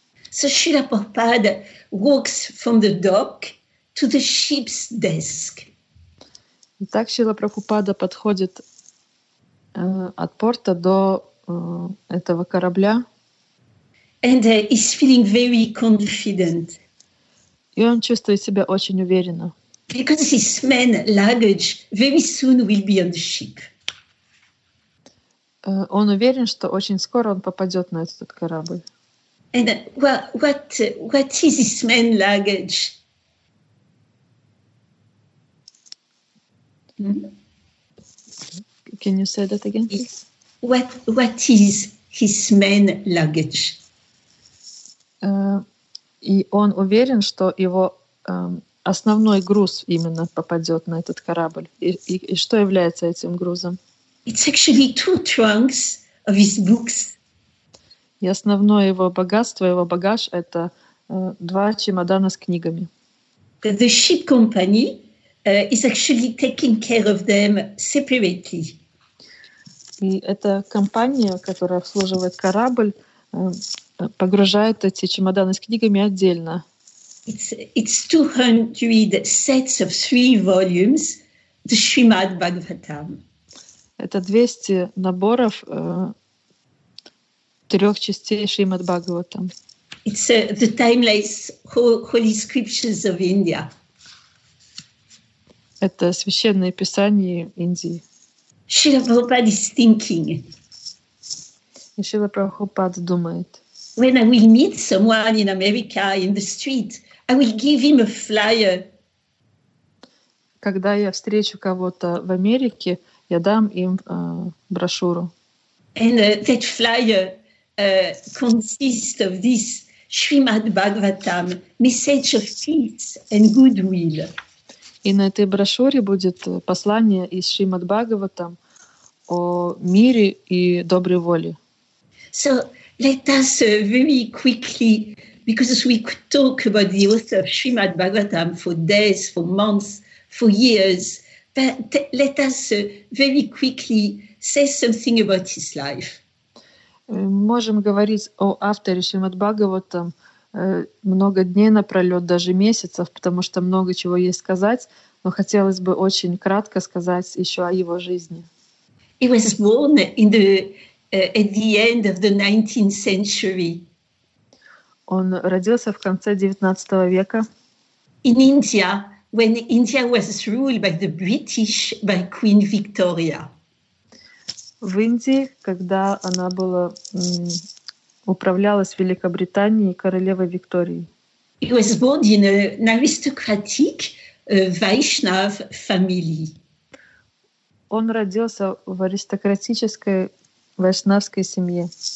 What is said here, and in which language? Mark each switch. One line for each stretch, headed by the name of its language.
English: So Srila Prabhupada walks from the dock to the ship's desk.
Russian: И так Шрила Прабхупада подходит от порта до этого корабля.
English: And he's feeling very confident.
Russian: И он чувствует себя очень уверенно.
English: Because his main luggage very soon will be on the ship.
Russian: Он уверен, что очень скоро он попадет на этот корабль.
English: And what is his main luggage? Mm-hmm. Can you say that again? What is his main luggage?
Russian: И он уверен, что его основной груз именно попадет на этот корабль. И что является этим грузом?
English: It's actually two trunks of his books.
Russian: И основное его богатство, его багаж — это два чемодана с книгами.
English: The ship company is actually taking care of them separately.
Russian: И эта компания, которая обслуживает корабль, погружает эти чемоданы с книгами отдельно.
English: It's 200 sets of three volumes, the Srimad Bhagavatam.
Russian: Это 200 наборов трех частей Шримад Бхагаватам.
English: It's the timeless holy scriptures of India.
Russian: Это священные писания Индии.
English: Шрила Прабхупада is thinking.
Russian: И Шрила Прабхупада думает.
English: When I will meet someone in America in the street, I will give him a flyer.
Russian: Когда я встречу кого-то в Америке, я дам им брошюру.
English: And that flyer consists of this Srimad Bhagavatam, message of peace and goodwill.
Russian: И на этой брошюре будет послание из Шримад Бхагаватам о мире и доброй воле.
English: So let us very quickly, because we could talk about the author of Srimad Bhagavatam for days, for months, for years, but let us very quickly say something about his life.
Russian: Можем говорить о авторе Шримад Бхагаватам много дней напролет, даже месяцев, потому что много чего есть сказать, но хотелось бы очень кратко сказать еще о его жизни.
English: He was born in the at the end of the 19th century.
Russian: Он родился в конце 19 века.
English: In India, when India was ruled by the British, by Queen Victoria.
Russian: В Индии, когда она была управлялась Великобританией королевой Викторией.
English: He was born in an aristocratic Vaishnav family.
Russian: Он родился в аристократической вайшнавской семье.